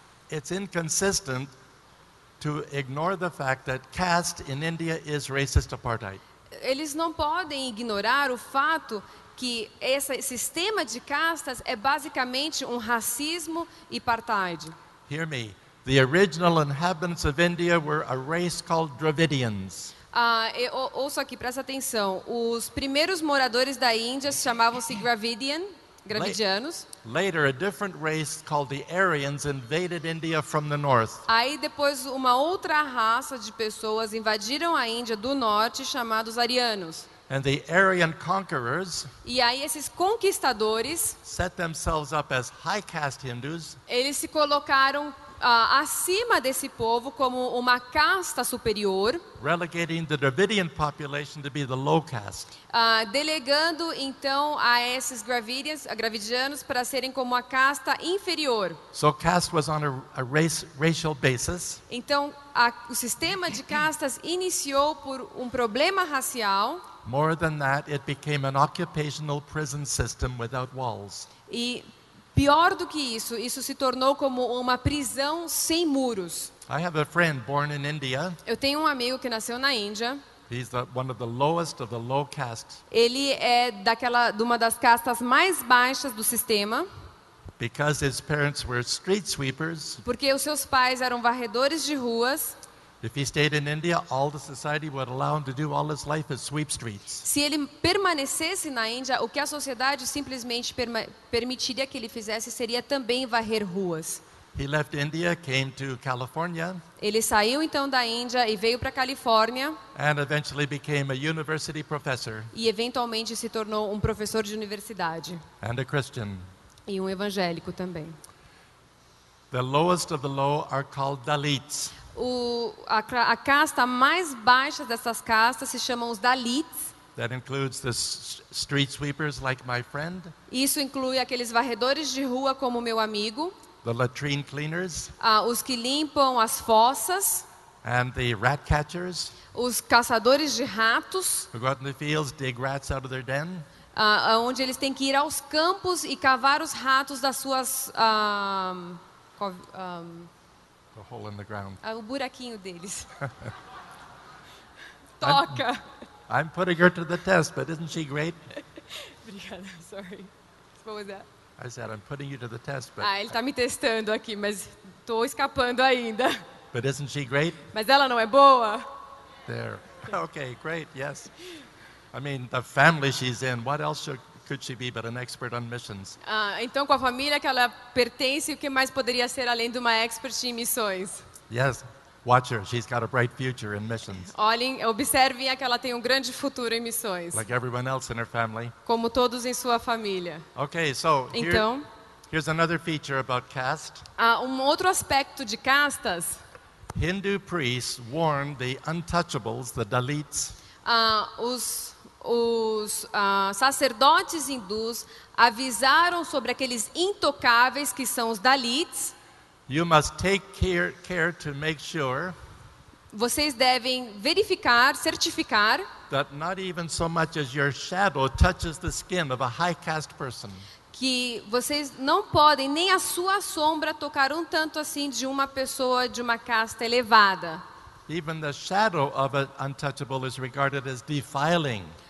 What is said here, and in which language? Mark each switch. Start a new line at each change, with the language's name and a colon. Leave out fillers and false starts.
English: It's inconsistent to ignore the fact that caste in India is racist apartheid.
Portuguese: Eles não podem ignorar o fato que esse sistema de castas é basicamente um racismo e apartheid.
English: Hear me. The original inhabitants of India were a race called Dravidians.
Portuguese: Ouça aqui, presta atenção. Os primeiros moradores da Índia chamavam-se Dravidianos.
English: Later, a different race called the Aryans invaded India from the north.
Portuguese: Aí depois uma outra raça de pessoas invadiram a Índia do norte, chamados arianos.
English: And the Aryan conquerors.
Portuguese: E aí esses conquistadores
English: set themselves up as high caste Hindus.
Portuguese: Eles se colocaram acima desse povo como uma casta superior,
English: relegating the Dravidian population to be the low caste.
Portuguese: Delegando então a esses Dravidianos para serem como uma casta inferior.
English: So caste was on a race, racial basis.
Portuguese: Então o sistema de castas iniciou por um problema racial.
English: More than that, it became an occupational prison system without walls.
Portuguese: E pior do que isso, isso se tornou como uma prisão sem muros.
English: I have a friend born in India.
Portuguese: Eu tenho um amigo que nasceu na Índia.
English: He's one of the lowest of the low castes.
Portuguese: Ele é de uma das castas mais baixas do sistema.
English: Because his parents were street sweepers.
Portuguese: Porque os seus pais eram varredores de ruas.
English: If he stayed in India, all the society would allow him to do all his life is sweep streets.
Portuguese: Se ele permanecesse na Índia, o que a sociedade simplesmente permitiria que ele fizesse seria também varrer ruas.
English: He left India, came to California.
Portuguese: Ele saiu então da Índia e veio para Califórnia.
English: And eventually became a university professor.
Portuguese: E eventualmente se tornou um professor de universidade.
English: And a Christian.
Portuguese: E um evangélico também.
English: The lowest of the low are called Dalits.
Portuguese: A casta mais baixa dessas castas se chamam os Dalits.
English: That includes the street sweepers like my friend.
Portuguese: Isso inclui aqueles varredores de rua como meu amigo.
English: The latrine cleaners.
Portuguese: Os que limpam as fossas.
English: And the rat catchers.
Portuguese: Os caçadores de ratos.
English: Who go out in the fields, dig rats out of their den.
Portuguese: Onde eles têm que ir aos campos e cavar os ratos das suas
English: the hole in the ground.
Portuguese: O buraquinho deles. Toca.
English: I'm putting her to the test, but isn't she great?
Portuguese: Obrigada,
English: sorry. What was that? I said I'm putting you to the test, but
Portuguese: ele tá me testando aqui, mas tô escapando ainda.
English: But isn't she great?
Portuguese: Mas ela não é boa.
English: There. Okay, great. Yes. I mean, the family she's in, what else should could she be but an expert on missions?
Portuguese: Então com a família que ela pertence, o que mais poderia ser além de uma expert em missões?
English: Yes, watch her. She's got a bright future in missions.
Portuguese: Olhem, observem que ela tem um grande futuro em missões.
English: Like everyone else in her family.
Portuguese: Como todos em sua família.
English: Okay, so
Portuguese: então,
English: here's another feature about caste.
Portuguese: Um outro aspecto de castas.
English: Hindu priests warn the untouchables, the Dalits.
Portuguese: Os sacerdotes hindus avisaram sobre aqueles intocáveis que são os Dalits.
English: You must take care to make sure.
Portuguese: Vocês devem verificar, certificar.
English: That not even so much as your shadow touches the skin of a high caste person.
Portuguese: Que vocês não podem nem a sua sombra tocar um tanto assim de uma pessoa de uma casta elevada.
English: Even the shadow of an untouchable is regarded as defiling.